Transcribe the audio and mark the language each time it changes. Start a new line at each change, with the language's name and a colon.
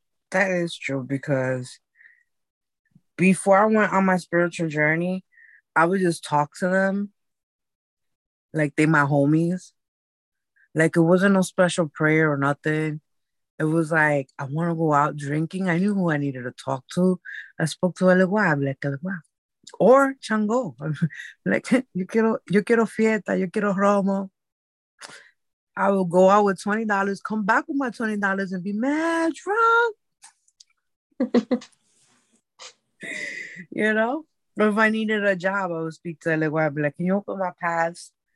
English: That is true, because before I went on my spiritual journey, I would just talk to them like they my homies. Like, it wasn't no special prayer or nothing. It was like, I want to go out drinking. I knew who I needed to talk to. I spoke to Elegua. I'm like, Elegua. Or Chango.
Spanish: Like, yo quiero fiesta, yo quiero romo.
English: I will go out with $20, come back with my $20 and be mad drunk. You know? But if I needed a job, I would speak to Elegua. I'd be like, can you open my paths?